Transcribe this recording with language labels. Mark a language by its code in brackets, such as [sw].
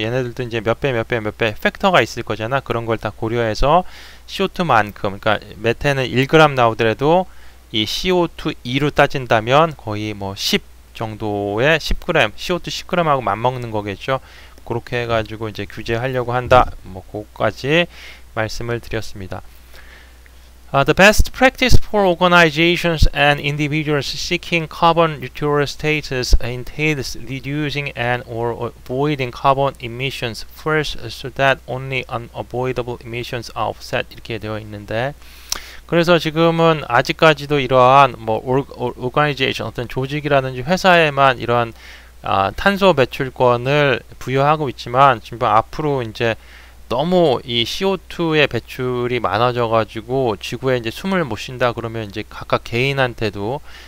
[ko] 얘네들도 이제 몇 배 몇 배 몇 배 팩터가 있을 거잖아. 그런 걸 다 고려해서 CO2만큼 그러니까 메텐은 1g 나오더라도 이 CO2E로 따진다면 거의 뭐 10 정도의 10g CO2 10g하고 맞먹는 거겠죠. 그렇게 해가지고 이제 규제하려고 한다. 뭐 그것까지 말씀을 드렸습니다. [en] The best practice for organizations and individuals seeking carbon neutral status entails reducing and or avoiding carbon emissions first so that only unavoidable emissions are offset. [ko] 이렇게 되어 있는데 그래서 지금은 아직까지도 이러한 뭐 organization 어떤 조직이라든지 회사에만 이러한 탄소 배출권을 부여하고 있지만 지금 앞으로 이제 너무 이 CO2의 배출이 많아져가지고 지구에 이제 숨을 못 쉰다 그러면 이제 각각 개인한테도